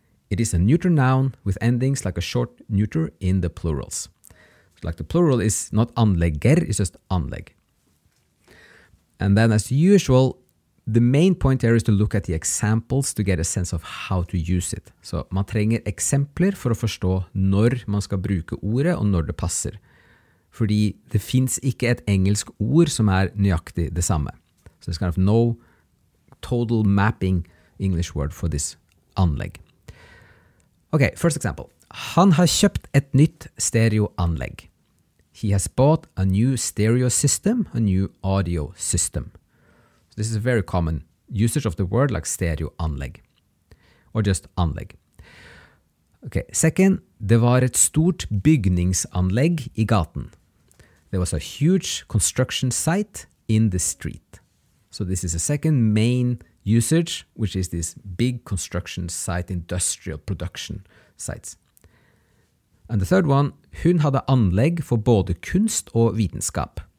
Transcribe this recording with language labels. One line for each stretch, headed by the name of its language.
English: It is a neuter noun with endings like a short neuter in the plurals. Like the plural is not anlegger, it's just anlegg. And then as usual, the main point here is to look at the examples to get a sense of how to use it.
Norwegian: Så man trenger eksempler for å forstå når man skal bruke ordet og når det passer. Fordi det finnes ikke et engelsk ord som nøyaktig det samme.
English: So there's kind of no total mapping English word for this anlegg. Okay, first example.
Norwegian: Han har kjøpt et nytt stereoanlegg.
English: He has bought a new stereo system, a new audio system. So this is a very common usage of the word like stereoanlegg. Or just anlegg. Okay, second,
Norwegian: det var et stort bygningsanlegg I gaten.
English: There was a huge construction site in the street. So this is a second main usage, which is this big construction site, industrial production sites. And the third one,
Norwegian: hun hadde anlegg for både kunst og vitenskap.